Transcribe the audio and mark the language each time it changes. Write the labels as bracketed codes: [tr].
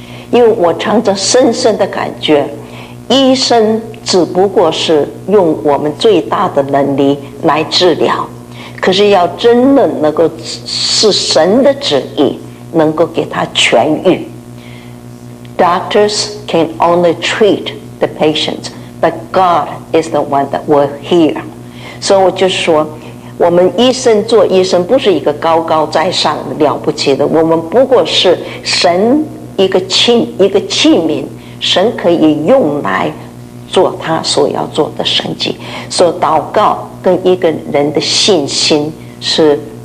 [zh] 因为我常常深深的感觉医生只不过是用我们最大的能力来治疗，可是要真的能够是神的旨意能够给他痊愈。 [en] Doctors can only treat the patients, but God is the one that will heal. [zh] 所以我就说我们医生做医生不是一个高高在上了不起的，我们不过是神一个器皿，神可以用来做他所要做的神迹。所以祷告跟一个人的信心是